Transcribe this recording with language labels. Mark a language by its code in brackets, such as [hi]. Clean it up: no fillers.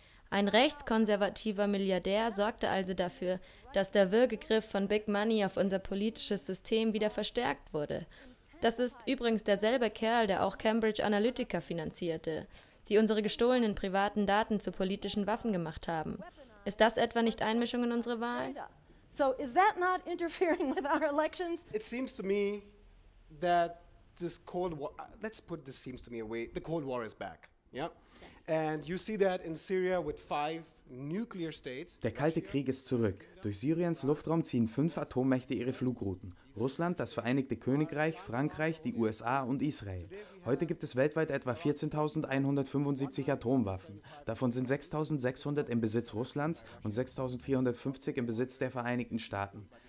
[de] Ein rechtskonservativer Milliardär sorgte also dafür, dass der Würgegriff von Big Money auf unser politisches System wieder verstärkt wurde. Das ist übrigens derselbe Kerl, der auch Cambridge Analytica finanzierte, die unsere gestohlenen privaten Daten zu politischen Waffen gemacht haben. Ist das etwa nicht Einmischung in unsere Wahl? [en] So is that not interfering with our elections? It seems to me that this Cold War, let's put this seems to me away, the Cold War is back. Yeah? And you see that in Syria with 5 nuclear states. [de] Der Kalte Krieg ist zurück. Durch Syriens Luftraum ziehen 5 Atommächte ihre Flugrouten. Russland, das Vereinigte Königreich, Frankreich, die USA und Israel. Heute gibt es weltweit etwa 14.175 Atomwaffen. Davon sind 6.600 im Besitz Russlands und 6.450 im Besitz der Vereinigten Staaten.